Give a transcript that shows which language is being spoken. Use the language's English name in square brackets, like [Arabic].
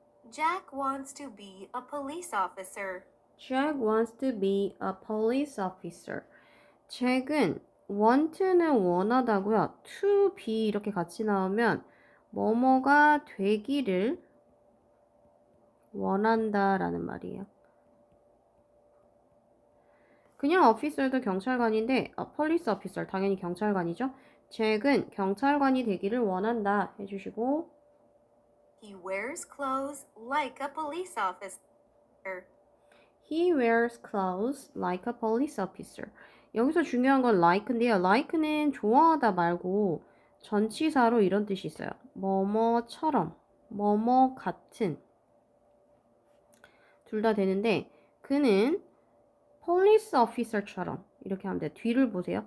[English] Jack wants to be a police officer. Jack wants to be a police officer. [Korean] 잭은 want는 원하다고요. [English] To be [Korean] 이렇게 같이 나오면 뭐뭐가 되기를 원한다라는 말이에요. 그냥 officer도 경찰관인데, police officer, 당연히 경찰관이죠. 잭은 경찰관이 되기를 원한다 해주시고, [English] He wears clothes like a police officer. he wears clothes like a police officer. [Korean] 여기서 중요한 건 like인데요. like는 좋아하다 말고 전치사로 이런 뜻이 있어요. 뭐뭐처럼, 뭐뭐 같은 둘다 되는데, 그는 police officer처럼 이렇게 하면 돼요. 뒤를 보세요.